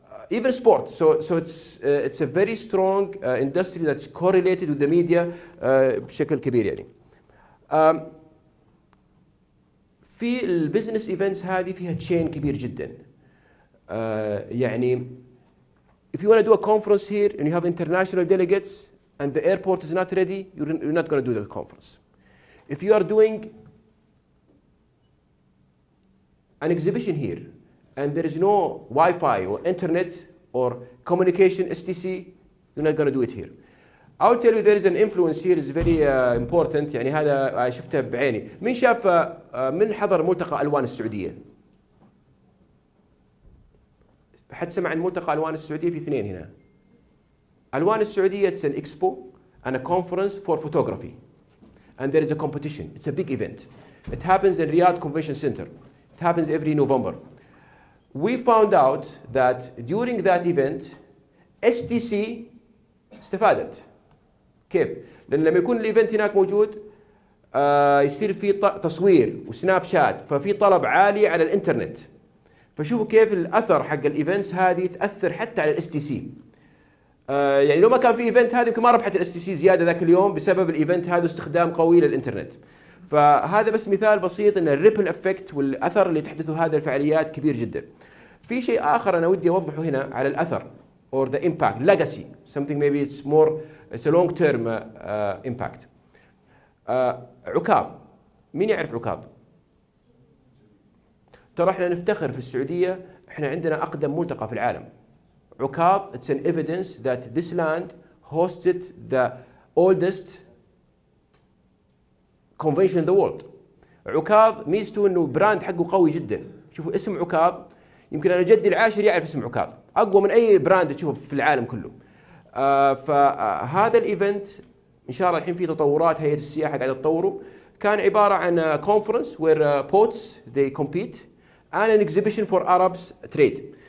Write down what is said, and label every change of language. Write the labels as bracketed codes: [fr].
[en] Even sports, so it's a very strong industry that's correlated with the media, [ar] بشكل كبير يعني. في البزنس ايفنتس هذه فيها تشين كبير جدا. [en] يعني if you want to do a conference here and you have international delegates and the airport is not ready, you're not going to do the conference. If you are doing an exhibition here and there is no Wi-Fi or internet or communication STC, you're not going to do it here. I will tell you there is an influence here is very important. [ar] يعني هذا شفته بعيني. من شاف من حضر ملتقى ألوان السعودية؟ حد سمع عن ملتقى ألوان السعودية؟ في اثنين هنا. [en] ألوان السعودية it's an expo and a conference for photography. And there is a competition. It's a big event. It happens in Riyadh Convention Center. It happens every November. We found out that during that event, STC [ar] استفادت. كيف؟ لأن لما يكون الإيفنت هناك موجود يصير في تصوير وسناب شات، ففي طلب عالي على الإنترنت. فشوفوا كيف الأثر حق الإيفنتس هذه تأثر حتى على STC. يعني لو ما كان في إيفنت هذه يمكن ما ربحت STC زيادة ذاك اليوم بسبب الإيفنت هذا واستخدام قوي للإنترنت. فهذا بس مثال بسيط ان الريبل افكت والاثر اللي تحدثه هذه الفعاليات كبير جدا. في شيء اخر انا ودي اوضحه هنا على الاثر [en] or the impact legacy something maybe it's a long term impact. [ar] عكاظ، مين يعرف عكاظ؟ ترى احنا نفتخر في السعوديه احنا عندنا اقدم ملتقى في العالم. [en] عكاظ it's an evidence that this land hosted the oldest convention in the world. [ar] عكاظ ميزته انه براند حقه قوي جدا. شوفوا اسم عكاظ، يمكن انا جدي العاشر يعرف اسم عكاظ، اقوى من اي براند تشوفه في العالم كله. فهذا الايفنت ان شاء الله الحين في تطورات، هيئه السياحه قاعده تطوره. كان عباره عن [en] Conference where poets the compete and an exhibition for Arabs trade.